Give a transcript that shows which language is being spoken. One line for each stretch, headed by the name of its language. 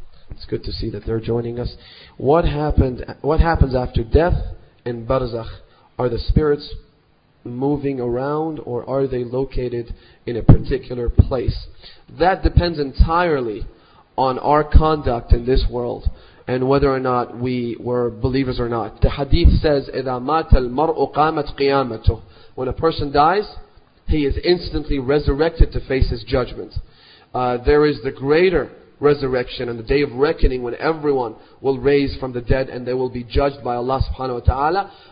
English: It's good to see that they're joining us. What happens after death in Barzakh? Are the spirits moving around or are they located in a particular place? That depends entirely on our conduct in this world and whether or not we were believers or not. The hadith says,
Arabic: إِذَا مَاتَ الْمَرْءُ قَامَتْ قِيَامَتُهُ.
English: When a person dies, he is instantly resurrected to face his judgment. There is the greater resurrection and the day of reckoning when everyone will raise from the dead and they will be judged by Allah subhanahu wa ta'ala.